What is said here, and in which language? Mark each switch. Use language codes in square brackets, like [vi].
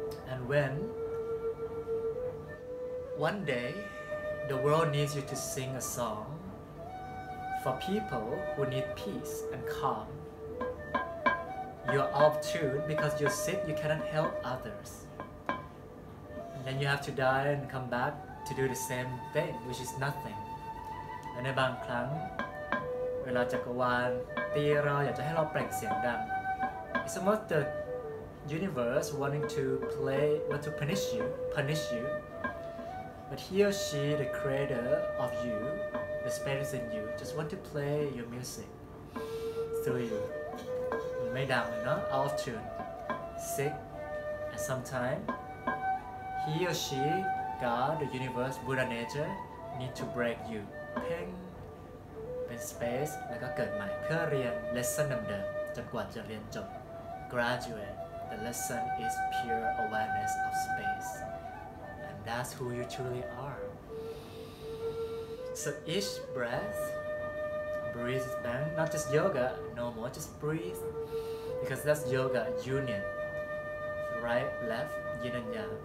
[en] and when one day the world needs you to sing a songFor people who need peace and calm, you're off tune because you're sick, you cannot help others. And then you have to die and come back to do the same thing, which is nothing. And [th] ในบางครั้งเวลาจักรวาลตีเราอยากจะให้เราเปล่งเสียงดัง [en] It's almost the universe wanting to play, want to punish you. But he or she, the creator of you,The spirits in you just want to play your music through you. [th] ไม่ดังเลยเนาะ [en] out of tune, sick, and sometimes he or she, God, the universe, Buddha nature need to break you. [th] Ping, เป็น space แล้วก็เกิดใหม่เพื่อเรียน lesson เดิมจนกว่าจะเรียนจบ graduate. [en] The lesson is pure awareness of space, and that's who you truly are. So each breath, breathe back, not just yoga, no more, just breathe. Because that's yoga union, right, left, yin and yang.